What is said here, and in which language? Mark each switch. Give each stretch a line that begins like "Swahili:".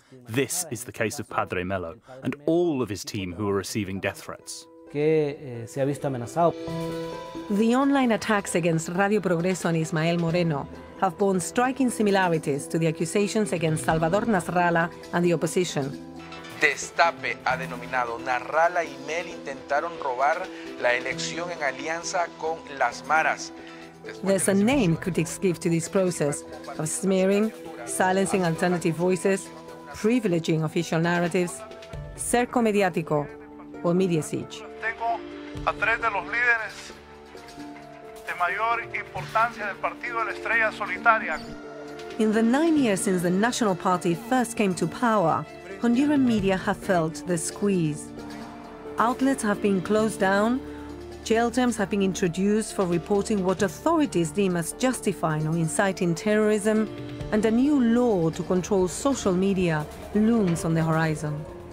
English: This is the case of Padre Melo and all of his team who are receiving death threats. The online attacks against Radio Progreso and Ismael Moreno have borne striking similarities to the accusations against Salvador Nasralla and the opposition.
Spanish: Destape ha denominado Nasralla y Mel intentaron robar la elección en alianza con las maras.
English: There's a name critics give to this process of smearing, silencing alternative voices, privileging official narratives, cerco mediático, or media siege.
Spanish: Tengo a tres de los líderes de mayor importancia del partido, la estrella solitaria.
English: In the 9 years since the National Party first came to power, Honduran media have felt the squeeze. Outlets have been closed down. Jail terms have been introduced for reporting what authorities deem as justifying or inciting terrorism, and a new law to control social media looms on the horizon.